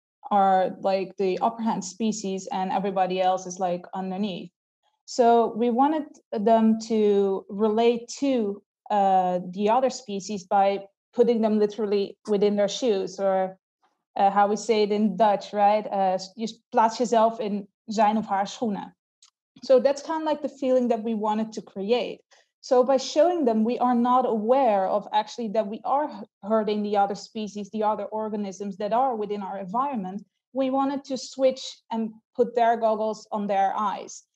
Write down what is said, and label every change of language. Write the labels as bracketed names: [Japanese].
[English] are like the upper hand species and everybody else is like underneath. So we wanted them to relate to the other species by putting them literally within their shoes, or how we say it in Dutch, right? [Dutch] You plaats jezelf in zijn of haar schoenen. [English] So that's kind of like the feeling that we wanted to create. So by showing them, we are not aware of actually that we are hurting the other species, the other organisms that are within our environment. We wanted to switch and put their goggles on their eyes.